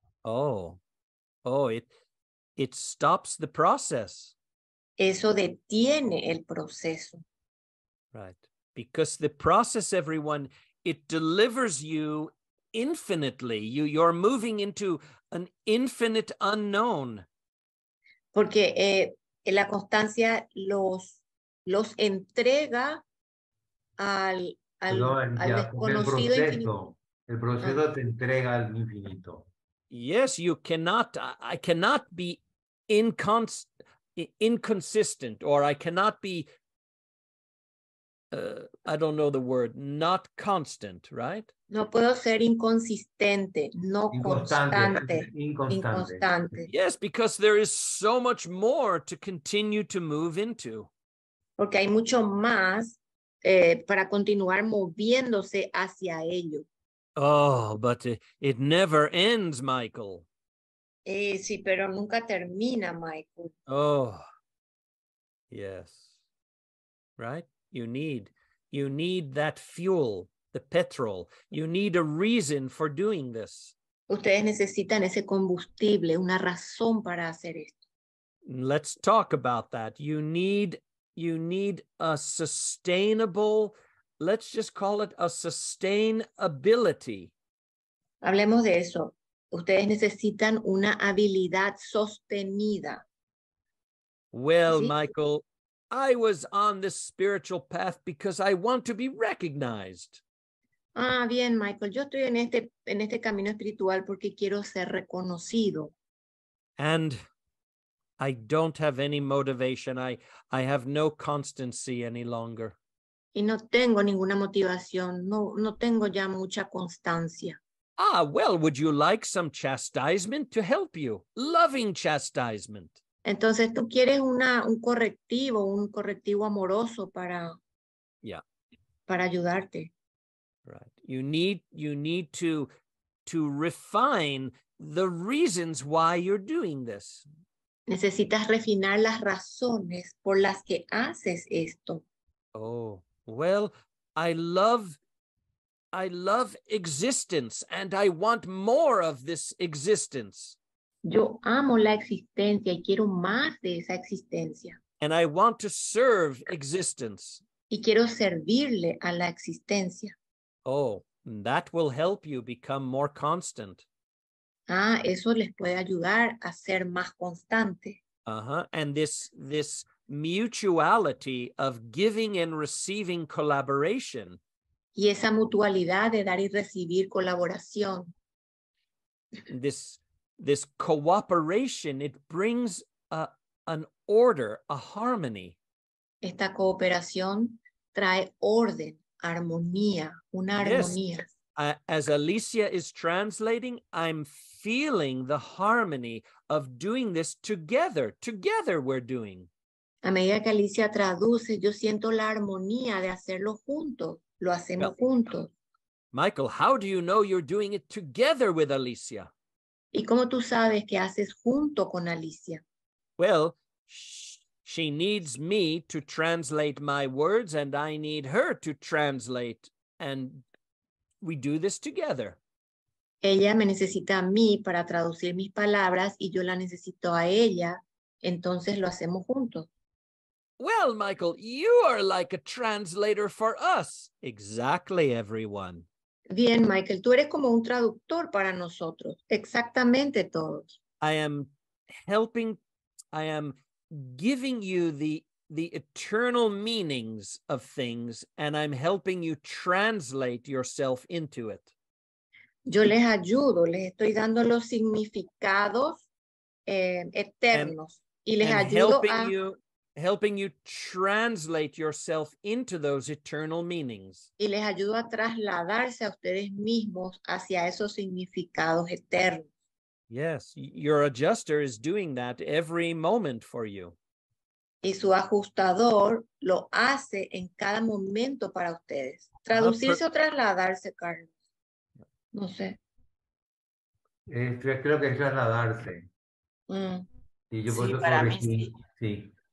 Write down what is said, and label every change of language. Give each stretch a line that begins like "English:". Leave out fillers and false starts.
English: Oh, it stops the process.
Spanish: Eso detiene el proceso.
English: Right. Because the process, everyone, it delivers you infinitely. You're moving into an infinite unknown.
Spanish: Porque la constancia los entrega al desconocido infinito. El proceso te entrega al infinito.
English: Yes, you cannot, I cannot be inconsistent, or I cannot be, I don't know the word, not constant, right?
Spanish: No puedo ser inconsistente, no constante. Inconstante.
English: Yes, because there is so much more to continue to move into.
Spanish: Porque hay mucho más para continuar moviéndose hacia ello.
English: Oh, but it never ends, Michael.
Spanish: Sí, pero nunca termina, Michael.
English: Oh, yes, right? You need that fuel, the petrol. You need a reason for doing this.
Spanish: Ustedes necesitan ese combustible, una razón para hacer esto.
English: Let's talk about that. You need a sustainable, let's just call it a sustainability.
Spanish: Hablemos de eso. Ustedes necesitan una habilidad sostenida.
English: Well,
Spanish: ¿sí?
English: Michael, I was on this spiritual path because I want to be recognized.
Spanish: Ah, bien, Michael. Yo estoy en este camino espiritual porque quiero ser reconocido.
English: And I don't have any motivation. I have no constancy any longer.
Spanish: y no tengo ninguna motivación, no tengo ya mucha constancia.
English: Ah, well, would you like some chastisement to help you? Loving chastisement.
Spanish: Entonces, ¿tú quieres un correctivo amoroso para, yeah, para ayudarte?
English: Right. You need to refine the reasons why you're doing this.
Spanish: Necesitas refinar las razones por las que haces esto.
English: Oh, well, I love existence and I want more of this existence.
Spanish: Yo amo la existencia y quiero más de esa existencia.
English: And I want to serve existence.
Spanish: Y quiero servirle a la existencia.
English: Oh, that will help you become more constant.
Spanish: Ah, eso les puede ayudar a ser más constante. Uh-huh.
English: And this mutuality of giving and receiving collaboration.
Spanish: Y esa mutualidad de dar y recibir colaboración.
English: This cooperation, it brings an order, a harmony.
Spanish: Esta cooperación trae orden, armonía, una armonía.
English: Yes. As Alicia is translating, I'm feeling the harmony of doing this together. Together we're doing.
Spanish: A medida que Alicia traduce, yo siento la armonía de hacerlo juntos. Lo hacemos juntos.
English: Michael, how do you know you're doing it together with Alicia?
Spanish: ¿Y cómo tú sabes que haces junto con Alicia?
English: Well, she needs me to translate my words and I need her to translate and we do this together.
Spanish: Ella me necesita a mí para traducir mis palabras y yo la necesito a ella, entonces lo hacemos juntos.
English: Well, Michael, you are like a translator for us. Exactly, everyone.
Spanish: Bien, Michael, tú eres como un traductor para nosotros. Exactamente todos.
English: I am giving you the eternal meanings of things, and I'm helping you translate yourself into it.
Spanish: Yo les ayudo, les estoy dando los significados eternos.
English: And,
Spanish: y les
English: and
Spanish: ayudo
English: helping
Spanish: a...
English: you, helping you translate yourself into those eternal meanings.
Spanish: Y les ayudo a trasladarse a ustedes mismos hacia esos significados eternos.
English: Yes, your adjuster is doing that every moment for you.
Spanish: Y su ajustador lo hace en cada momento para ustedes. Traducirse o trasladarse, Carlos. No sé. Creo que es trasladarse. Y yo sí, para mí sí. Sí.